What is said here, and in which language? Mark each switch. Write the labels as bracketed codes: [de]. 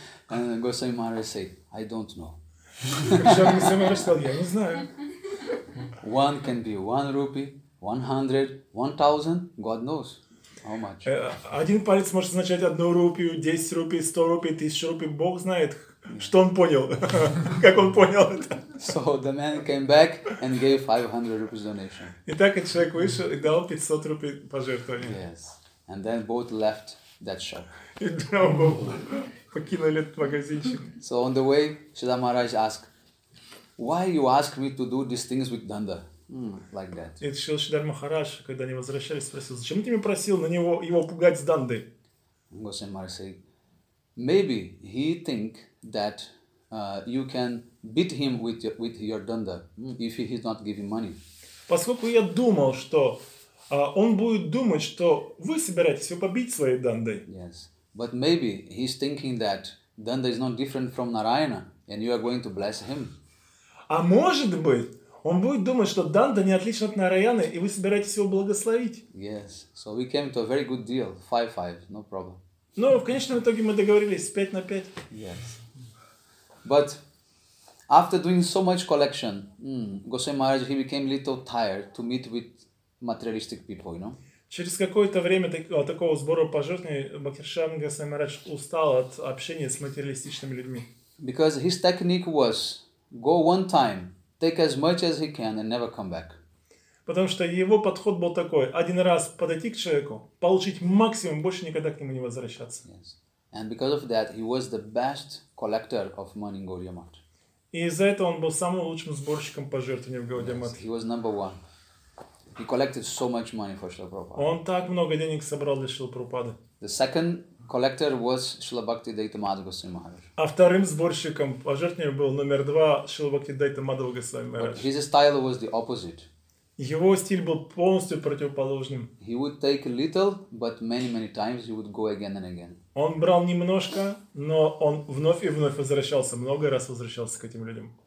[en] And Госвами Махарадж said, I don't know. [ru] Бхактишранга Госвами Махарадж сказал, я не знаю. [en] One can be one rupee. 100, 1000, God knows. How much? [ru] Один палец может означать 1 рупию, 10 рупий, 100 рупий, 1000 рупий. Бог знает, что он понял. Как он понял это. [en] So the man came back and gave 500 rupees donation. [ru] Итак, человек вышел и дал 500 рупий пожертвования. [en] Yes. And then both left that shop. [ru] И оба покинули этот магазинчик. [en] So on the way, Шрила Махарадж asked, why you ask me to do these things with Danda? Like that. [ru] И Шрила Шридхар Махарадж, когда они возвращались, спросил, зачем ты меня просил на него его пугать с Дандой? [en] Госвами Махарадж said, maybe he think that you can beat him with your Danda if he is not giving money. [ru] Поскольку я думал, что он будет думать, что вы собираетесь его побить своей Дандой. [en] Yes. But maybe he's thinking that Danda is not different from Narayana and you are going to bless him. [ru] А может быть, он будет думать, что Данда не отличен от Нараяны, и вы собираетесь его благословить. [en] Yes, so we came to a very good deal, 5-5, no problem. [ru] Ну, в конечном итоге мы договорились, 5-5. [en] Yes. But after doing so much collection, Госвами Махарадж, he became a little tired to meet with materialistic people, you know? [ru] Через какое-то время такого сбора пожертвований Махаршиан Госвами Махарадж устал от общения с материалистичными людьми. [en] Because his technique was go one time, take as much as he can and never come back. [ru] Потому что его подход был такой: один раз подойти к человеку, получить максимум, больше никогда к нему не возвращаться. [en] Yes. And because of that, he was the best collector of money in Gaudiya Math. [ru] И из-за этого он был самым лучшим сборщиком пожертвований в Gaudiya Math. [en] Yes, he was number one. He collected so much money for Srila Prabhupada. [ru] Он так много денег собрал для Шрилы Прабхупады. [en] The second collector was Srila Bhaktivedanta Madhava Goswami Maharaj. [ru] А вторым сборщиком пожертвований был номер два Srila Bhaktivedanta Madhava Goswami Maharaj. [en] His style was the opposite. [ru] Его стиль был полностью противоположным. [en] He would take little, but many times he would go again and again. [ru] Он брал немножко, но он вновь и вновь возвращался, много раз возвращался к этим людям.